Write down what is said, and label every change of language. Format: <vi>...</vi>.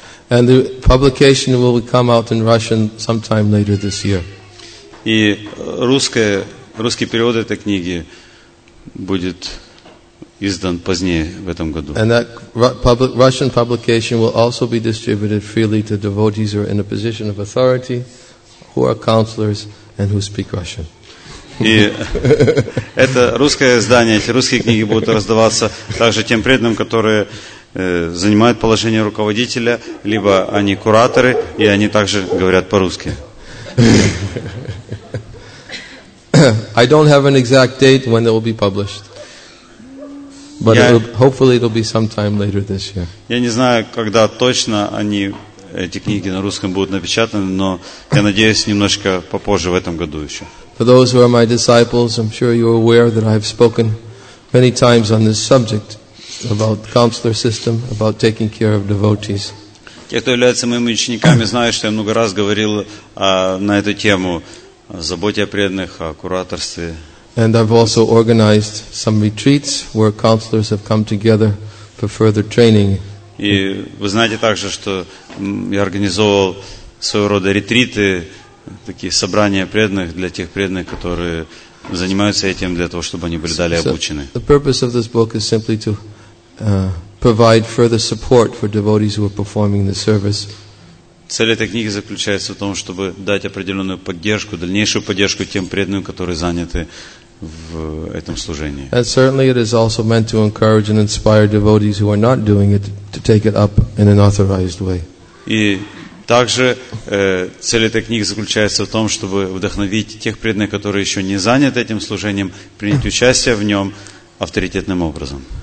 <en>And the publication will come out in Russian sometime later this year.</en> <ru>И русский перевод этой книги будет издан позднее в этом году.</ru> <en>And that Russian publication will also be distributed freely to devotees who are in a position of authority, who are counselors, and who speak Russian.</en> <ru>И это русское издание, эти русские книги будут раздаваться также тем преданным, которые занимают положение руководителя, либо они кураторы, и они также говорят по-русски.</ru> <en>I don't have an exact date when it will be published. But hopefully it'll be sometime later this year.</en> <ru>Я не знаю, когда точно они эти книги на русском будут напечатаны, но я надеюсь немножко попозже в этом году еще.</ru> <en>For those who are my disciples, I'm sure you're aware that I've spoken many times on this subject about counselor system, about taking care of devotees.</en> <ru>Те, кто являются моими учениками, знают, что я много раз говорил на эту тему, заботе о преданных, о кураторстве.</ru> <en>And I've also organized some retreats where counselors have come together for further training.</en> <ru>И вы знаете также, что я организовывал своего рода ретриты, такие собрания преданных для тех преданных, которые занимаются этим для того, чтобы они были далее обучены.</ru> <en>The purpose of this book is simply to provide further support for devotees who are performing the service.</en> <ru>Цель этой книги заключается в том, чтобы дать определенную поддержку, дальнейшую поддержку тем преданным, которые заняты в этом служении.</ru> <en>And certainly it is also meant to encourage and inspire devotees who are not doing it to take it up in an authorized way.</en> <ru>И также цель этой книги заключается в том, чтобы вдохновить тех преданных, которые еще не заняты этим служением, принять участие в нем авторитетным образом.</ru>